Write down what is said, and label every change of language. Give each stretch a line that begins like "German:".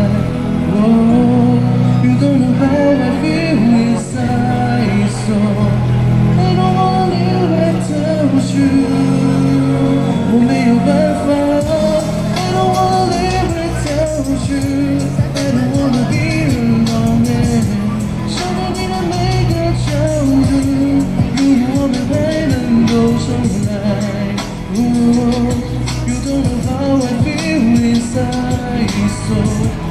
English: You don't know how I feel inside, so I don't wanna live without you.
Chinese: 我没有办法。
English: I don't wanna live without you. I don't wanna be alone.
Chinese: 想念你的每个角度，如果我们还能够重来。
English: You don't know how I feel inside, so.